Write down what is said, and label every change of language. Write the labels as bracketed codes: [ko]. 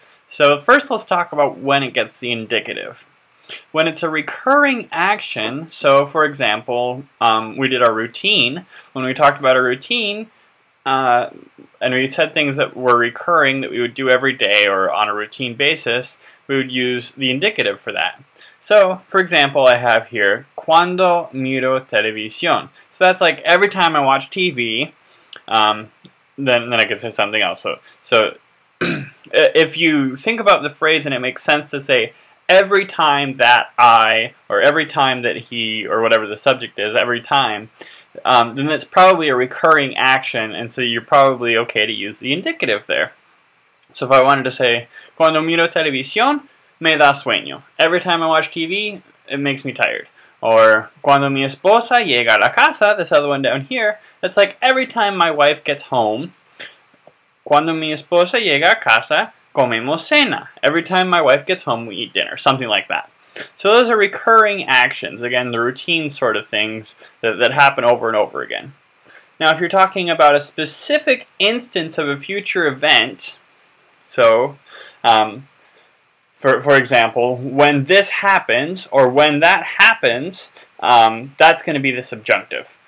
[en] So first let's talk about when it gets the indicative. When it's a recurring action, so for example, we did our routine. When we talked about a routine, and we said things that were recurring that we would do every day or on a routine basis, we would use the indicative for that. So, for example, I have here, [es] cuando miro televisión. [en] So that's like every time I watch TV, then I could say something else. So if you think about the phrase and it makes sense to say every time that I, or every time that he, or whatever the subject is, every time, then it's probably a recurring action, and so you're probably okay to use the indicative there. So if I wanted to say, [es] cuando miro televisión, me da sueño. [en] Every time I watch TV, it makes me tired. Or, [es] cuando mi esposa llega a la casa, [en] this other one down here, that's like every time my wife gets home. [es] Cuando mi esposa llega a casa, comemos cena. [en] Every time my wife gets home, we eat dinner. Something like that. So those are recurring actions. Again, the routine sort of things that happen over and over again. Now, if you're talking about a specific instance of a future event, so, for example, when this happens or when that happens, that's going to be the subjunctive.